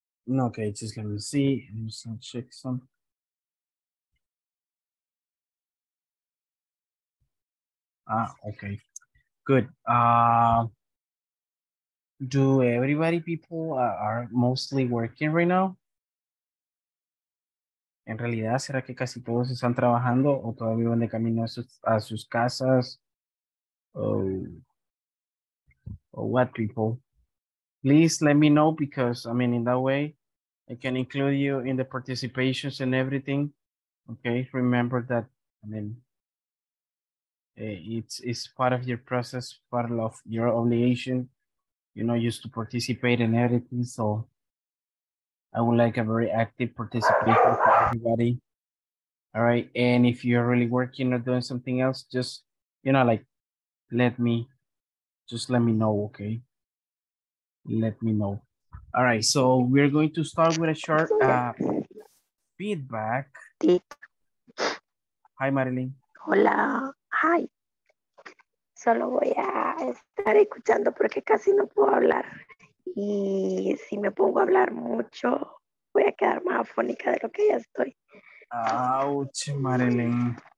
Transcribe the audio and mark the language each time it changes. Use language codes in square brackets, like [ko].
[en] Okay, just let me see. Let me just check some. Okay. Good. Do everybody, people are mostly working right now? [es] ¿En realidad será que casi todos están trabajando o todavía van de camino a sus casas? [en] Or what, people? Please let me know because, I mean, in that way, I can include you in the participations and everything. Okay, remember that, I mean, it's part of your process, part of your obligation, you know, used to participate in everything. So I would like a very active participation for everybody. All right, and if you're really working or doing something else, just, you know, like, let me know, okay? Let me know. All right, so we're going to start with a short feedback. Hi, Marilyn. [es] Hola, [en] hi. [es] Solo voy a estar escuchando porque casi no puedo hablar. Y si me pongo a hablar mucho, voy a quedar más afónica de lo que ya estoy. [en] Ouch, Marilyn.